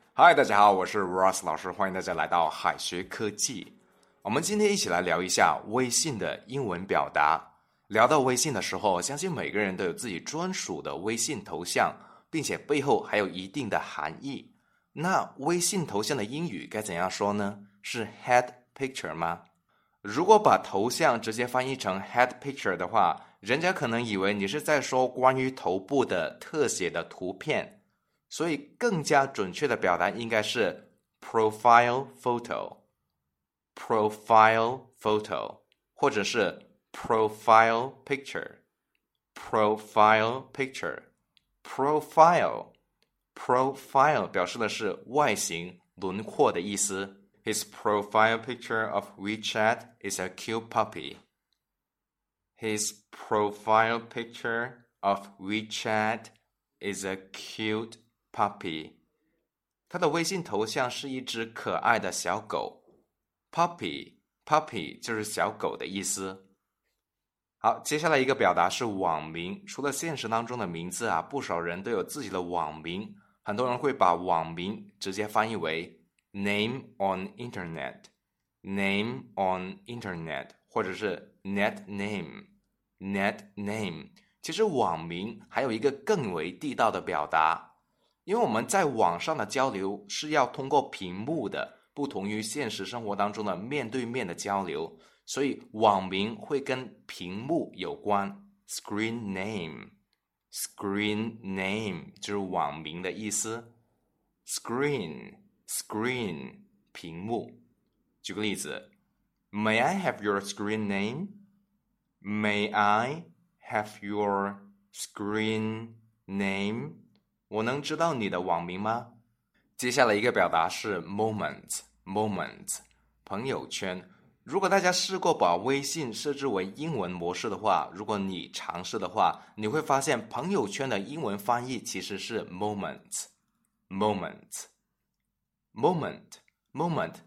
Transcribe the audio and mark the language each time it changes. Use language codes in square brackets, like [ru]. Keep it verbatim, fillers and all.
[zh] Hi, 大家好，我是 Ross 老师，欢迎大家来到海学科技。我们今天一起来聊一下微信的英文表达。聊到微信的时候，相信每个人都有自己专属的微信头像，并且背后还有一定的含义。那微信头像的英语该怎样说呢？是 head picture 吗？如果把头像直接翻译成 head picture 的话，人家可能以为你是在说关于头部的特写的图片，所以更加准确的表达应该是 profile photo profile photo 或者是 profile picture profile picture profile profile 表示的是外形轮廓的意思。 [en] His profile picture of WeChat is a cute puppy. His profile picture of WeChat is a cute puppy. [zh] 他的微信头像是一只可爱的小狗。Puppy, puppy 就是小狗的意思。好，接下来一个表达是网名。除了现实当中的名字啊，不少人都有自己的网名。很多人会把网名直接翻译为 name on internet, name on internet. 或者是 net name net name 其实网名还有一个更为地道的表达，因为我们在网上的交流是要通过屏幕的，不同于现实生活当中的面对面的交流，所以网名会跟屏幕有关。 screen name screen name 就是网名的意思。 screen screen 屏幕。 [en] 举个例子，May I have your screen name? May I have your screen name? [zh] 我能知道你的网名吗？接下来一个表达是 moment, moment, 朋友圈。如果大家试过把微信设置为英文模式的话，如果你尝试的话，你会发现朋友圈的英文翻译其实是 moment, moment, moment, moment.